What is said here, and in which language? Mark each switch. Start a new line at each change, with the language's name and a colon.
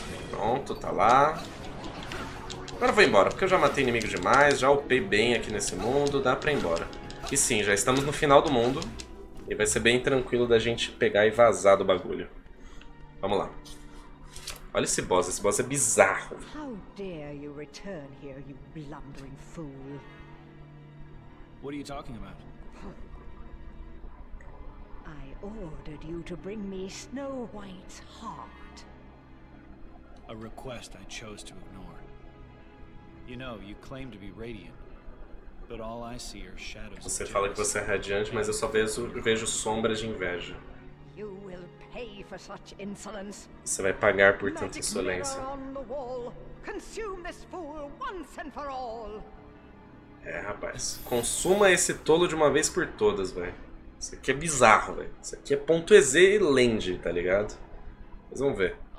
Portuguese: Pronto, tá lá. Agora vou embora, porque eu já matei inimigo demais, já upei bem aqui nesse mundo, dá pra ir embora. E sim, já estamos no final do mundo, e vai ser bem tranquilo da gente pegar e vazar do bagulho. Vamos lá. Olha esse boss é bizarro.
English: How dare you return here, you blundering fool? What are you talking about? I ordered you to bring me Snow White's heart. A request I chose to ignore. You know, you claim to be radiant, but all I see are shadows.
Portuguese: Você fala que você é radiante, mas eu só vejo sombras de inveja.
English: You will pay for such insolence.
Portuguese: Você vai pagar por tanta insolência.
English: On the wall. Consume this fool once and for all.
Portuguese: É, rapaz, consuma esse tolo de uma vez por todas, velho. Isso aqui é bizarro, velho. Isso aqui é ponto EZ e Land, tá ligado? Mas vamos ver.